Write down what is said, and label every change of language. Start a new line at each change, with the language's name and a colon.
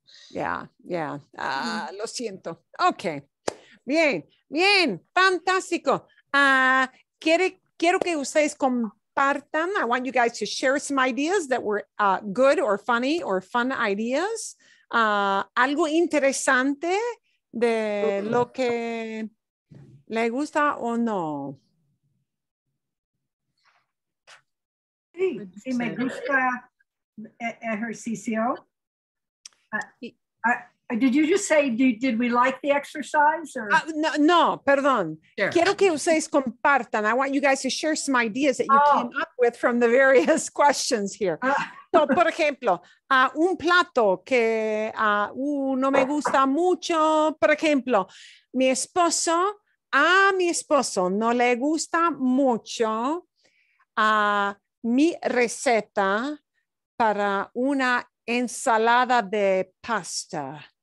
Spanish: Yeah. Lo siento. Okay. Bien. Fantástico. Quiero que ustedes compartan.
English: I want you guys to share some ideas that were good or funny or fun ideas.
Spanish: Algo interesante de lo que le gusta o no. Sí, me gusta ejercicio.
English: Did you just say, did we like the exercise? Or?
Spanish: No, perdón. Sure. Quiero que ustedes compartan.
English: I want you guys to share some ideas that you came up with from the various questions here.
Spanish: So, por ejemplo, un plato que no me gusta mucho. Por ejemplo, mi esposo no le gusta mucho mi receta para una ensalada de pasta.